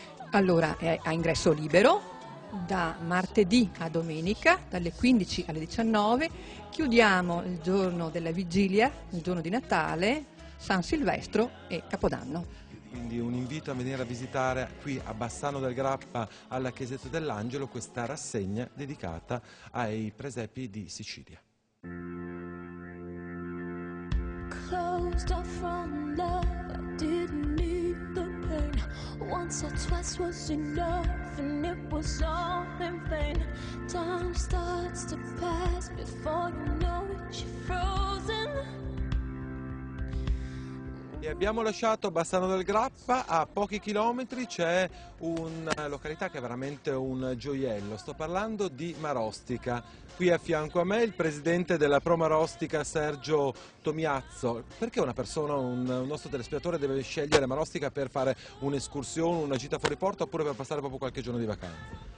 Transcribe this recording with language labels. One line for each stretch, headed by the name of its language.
Italian: Allora, è a ingresso libero, da martedì a domenica, dalle 15 alle 19, chiudiamo il giorno della vigilia, il giorno di Natale, San Silvestro e Capodanno. Quindi un invito a venire a visitare qui a Bassano del Grappa, alla Chiesetta dell'Angelo, questa rassegna dedicata ai presepi di Sicilia.
English: Closed off from love, I didn't need the pain. Once or twice was enough and it was all in vain. Time starts to pass before you know it, you're frozen.
Italian: E abbiamo lasciato Bassano del Grappa, a pochi chilometri c'è una località che è veramente un gioiello. Sto parlando di Marostica. Qui a fianco a me il presidente della Promarostica, Sergio Tomiazzo. Perché una persona, un nostro telespettatore deve scegliere Marostica per fare un'escursione, una gita fuori porto oppure per passare proprio qualche giorno di vacanza?